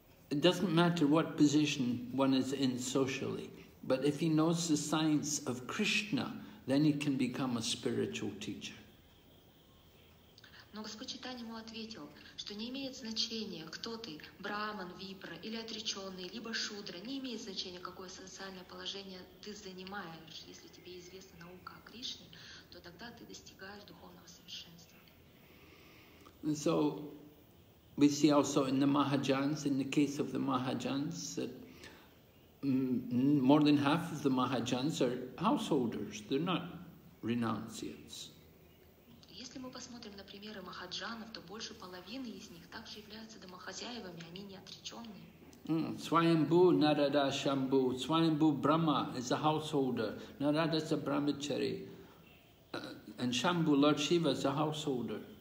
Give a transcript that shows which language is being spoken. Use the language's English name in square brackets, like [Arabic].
[English] It doesn't matter what position one is in socially, but if he knows the science of Krishna, then he can become a spiritual teacher. [Russian] Но Господь Чайтанья ему ответил, что не имеет значения, кто ты, браман, випра или отреченный, либо шудра, не имеет значения, какое социальное положение ты занимаешь, если тебе известна наука о Кришне, то тогда ты достигаешь духовного совершенства. [English] We see also in the Mahajans, in the case of the Mahajans, that more than half of the Mahajans are householders, they're not renunciates. [Russian] Если мы посмотрим на примеры Махаджанов, то больше половины из них также являются домохозяевами, они не отреченные. [English] Swayambhu Narada Shambhu, Swayambhu Brahma is a householder, Narada is a brahmachari, and Shambhu, Lord Shiva, is a householder.